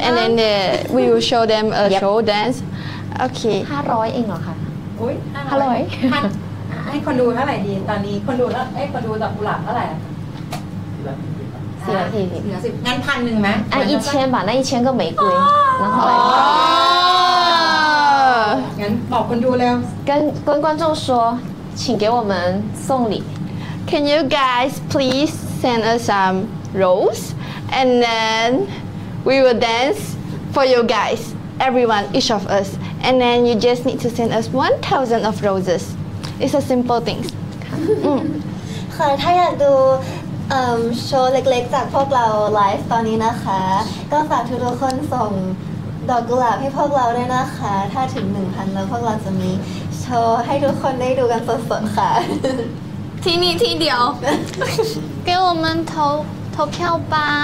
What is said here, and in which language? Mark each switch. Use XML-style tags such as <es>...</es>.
<en>and then they, we will show them a yep. show dance. Okay.</en> <th>500เองเหรอคะ 500 ให้คนดูเท่าไหร่ดีตอนนี้คนดูแล้วคนดูจากกุหลาบเท่าไหร่ เหลือ10 งั้น1,000ไหม อ่ะ1,000บาทนั่น1,000ก็</th> <zh>玫瑰然后</zh> <th>งั้นบอกคนดูแล้ว</th> <zh>跟观众说请给我们送礼</zh> <en>Can you guys please send us some rose and then we will dance for you guys everyone each of us and then you just need to send us 1,000 of roses it's a simple thing</en> <th>ค่ะถ้าอยากดูโชว์เล็กๆจากพวกเราไลฟ์ตอนนี้นะคะก็ฝากทุกคนส่งดอกกุหลาบให้พวกเราด้วยนะคะถ้าถึง 1,000 แล้วพวกเราจะมีโชว์ให้ทุกคนได้ดูกันสดๆค่ะ ที่นี่ที่เดียว</th> <zh>给我们投票吧</zh>